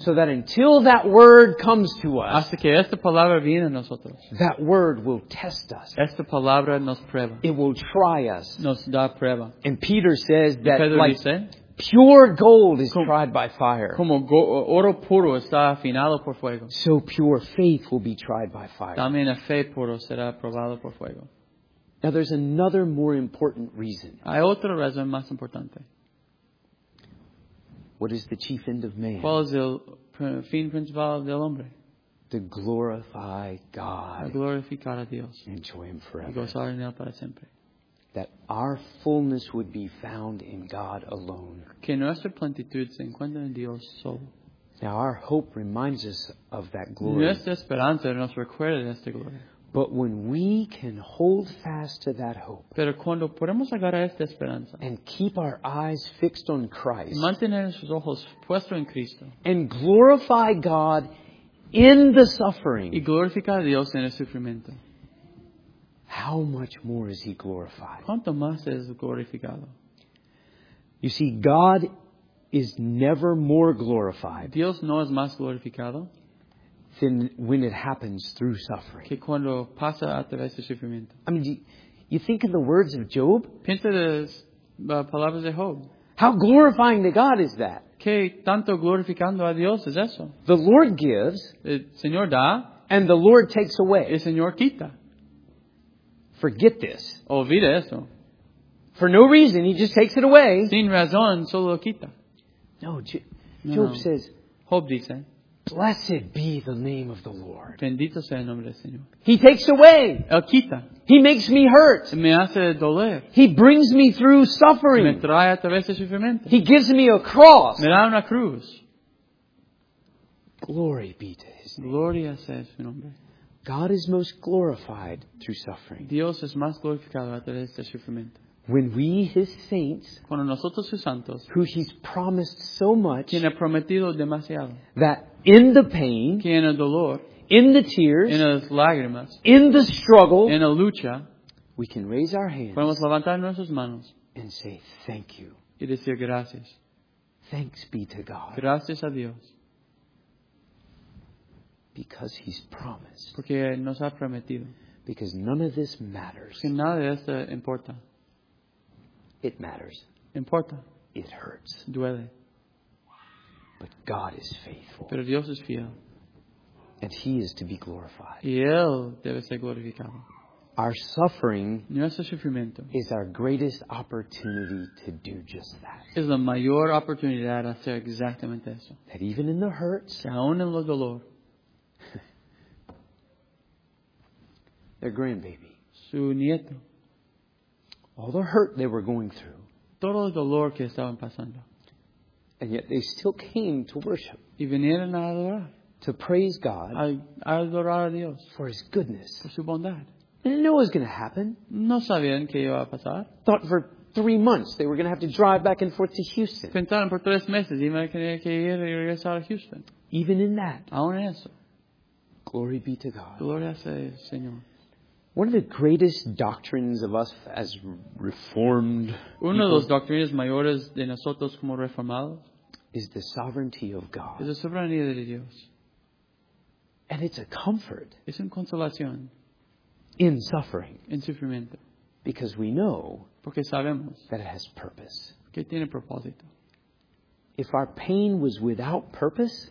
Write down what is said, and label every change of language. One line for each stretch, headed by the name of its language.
English: So that until that word comes to us.
Spanish: Hasta que esta palabra viene a nosotros.
English: That word will test us.
Spanish: Esta palabra nos prueba.
English: It will try us.
Spanish: Nos da prueba.
English: And Peter says
Spanish: y
English: that
Spanish: Pedro
English: like
Spanish: dice,
English: pure gold is tried by fire.
Spanish: Como oro puro está afinado por fuego.
English: So pure faith will be tried by fire.
Spanish: También la fe puro será probado por fuego.
English: Now there's another more important reason.
Spanish: Hay otra razón más importante.
English: What is the chief end of man?
Spanish: ¿Cuál es el fin principal del hombre?
English: To glorify God.
Spanish: A glorificar a Dios.
English: Enjoy Him forever.
Spanish: Y gozar en él para siempre.
English: That our fullness would be found in God alone.
Spanish: Que nuestra plenitud se encuentre en Dios solo.
English: Now our hope reminds us of that glory.
Spanish: Nuestra esperanza nos recuerda de esta gloria.
English: But when we can hold fast to that hope.
Spanish: Pero cuando podemos agarrar esta esperanza.
English: And keep our eyes fixed on Christ.
Spanish: Y mantener nuestros ojos puestos en Cristo.
English: And glorify God in the suffering.
Spanish: Y glorificar a Dios en el sufrimiento.
English: How much more is He glorified?
Spanish: ¿Cuánto más es glorificado?
English: You see, God is never more glorified.
Spanish: Dios no es más glorificado.
English: Than when it happens through suffering.
Spanish: Que cuando pasa a través del sufrimiento.
English: I mean, you think of the words of Job?
Spanish: Piensa las palabras de Job.
English: How glorifying to God is that?
Spanish: Que tanto glorificando a Dios es eso?
English: The Lord gives.
Spanish: El Señor da.
English: And the Lord takes away.
Spanish: El Señor quita.
English: Forget this.
Spanish: Olvida eso.
English: For no reason, He just takes it away.
Spanish: Sin razón, solo lo quita.
English: No, Job says,
Spanish: Job dice,
English: blessed be the name of the Lord.
Spanish: Bendito sea el nombre del Señor.
English: He takes away.
Spanish: El quita.
English: He makes me hurt.
Spanish: Me hace doler.
English: He brings me through suffering.
Spanish: Me trae a través de sufrimiento.
English: He gives me a cross.
Spanish: Me da una cruz.
English: Glory be to His name.
Spanish: Gloria sea su nombre.
English: God is most glorified through suffering.
Spanish: Dios es más glorificado a través de sufrimiento.
English: When we, His saints,
Spanish: cuando nosotros, sus santos,
English: who He's promised so much,
Spanish: quien ha prometido demasiado,
English: that in the pain,
Spanish: que en el dolor,
English: in the tears,
Spanish: en las lágrimas,
English: in the struggle,
Spanish: en la lucha,
English: we can raise our hands,
Spanish: podemos levantar nuestras manos,
English: and say thank you.
Spanish: Y decir gracias.
English: Thanks be to God.
Spanish: Gracias a Dios.
English: Because He's promised.
Spanish: Porque nos ha prometido.
English: Because none of this matters.
Spanish: Que nada de esto importa.
English: It matters.
Spanish: Importa.
English: It hurts.
Spanish: Duele.
English: But God is faithful.
Spanish: Pero Dios es fiel.
English: And He is to be glorified.
Spanish: Y Él debe ser glorificado.
English: Our suffering,
Spanish: nuestro sufrimiento,
English: is our greatest opportunity to do just that.
Spanish: Es la mayor oportunidad de hacer exactamente eso.
English: That even in the hurts,
Spanish: aún en los dolor,
English: their grandbaby,
Spanish: su nieto,
English: all the hurt they were going through,
Spanish: todo el dolor que estaban pasando,
English: and yet they still came to worship,
Spanish: y vinieron a adorar,
English: to praise God,
Spanish: a adorar a Dios,
English: for His goodness,
Spanish: por su bondad.
English: They didn't know what was going to happen.
Spanish: No sabían que iba a pasar.
English: Thought for 3 months they were going to have to drive back and forth to Houston.
Spanish: Pensaron por 3 meses iban a tener que ir y regresar a Houston.
English: Even in that,
Spanish: aún eso,
English: glory be to God.
Spanish: Gloria sea el Señor.
English: One of the greatest doctrines of us as reformed.
Spanish: Uno de los doctrinas mayores de nosotros como reformados
English: is the sovereignty of God.
Spanish: Es la soberanía de Dios.
English: And it's a comfort.
Spanish: Es una consolación.
English: In suffering.
Spanish: En sufrimiento.
English: Because we know.
Spanish: Porque sabemos.
English: That it has purpose.
Spanish: Que tiene propósito.
English: If our pain was without purpose.